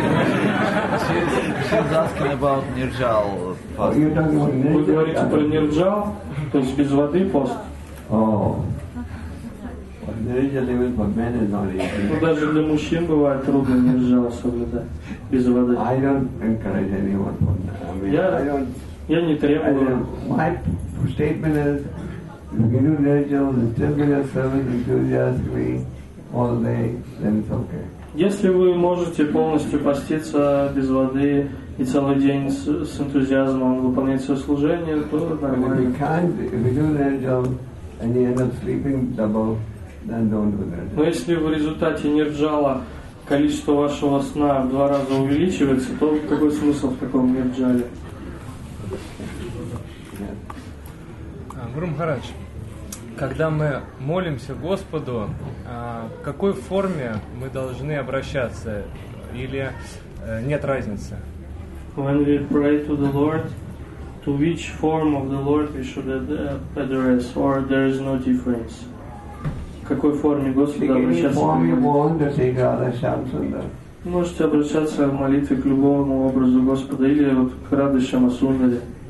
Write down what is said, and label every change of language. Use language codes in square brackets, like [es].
[en] She's asking about Nirjal fasting. [ru] Вы говорите про Nirjal, то есть без воды пост? Oh. Ну даже для мужчин бывает трудно нирджал соблюдать без воды. [en] I don't encourage anyone for that. [ru] Я не требую. [en] My statement is, if you do nirjal and still give your service enthusiastically all day, then it's okay. [ru] Если вы можете полностью поститься без воды и целый день с энтузиазмом выполнять свое служение, то нормально. [en] But if you can't, if you do nirjal and you end up sleeping double. [ru] Но если в результате нирджала количество вашего сна в два раза увеличивается, то какой смысл в таком нирджале? Гуру Махарадж, когда мы молимся Господу, в какой форме мы должны обращаться, или нет разницы? [en] When we pray to the Lord, to which form of the Lord we should address, or there is no difference? [ru] В какой форме Господа обращаться? Можете обращаться в молитве к любому образу Господа или вот к Радхе Шамасундаре.